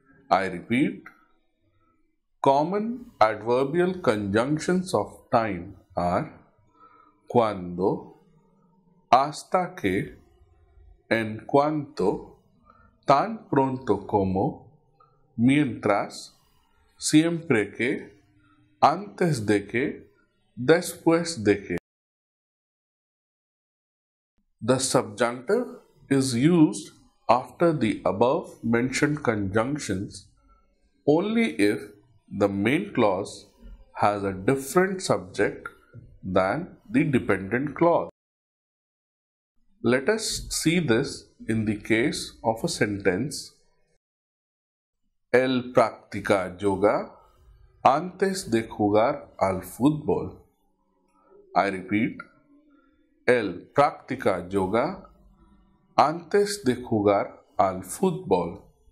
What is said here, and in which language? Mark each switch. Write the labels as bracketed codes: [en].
[en] I repeat, common adverbial conjunctions of time are [es] cuando, hasta que, en cuanto, tan pronto como, mientras, siempre que, antes de que, [en] después de que. The subjunctive is used after the above mentioned conjunctions only if the main clause has a different subject than the dependent clause. Let us see this in the case of a sentence. [es] Él practica yoga antes de jugar al fútbol. [en] I repeat, [es] él practica yoga antes de jugar al fútbol.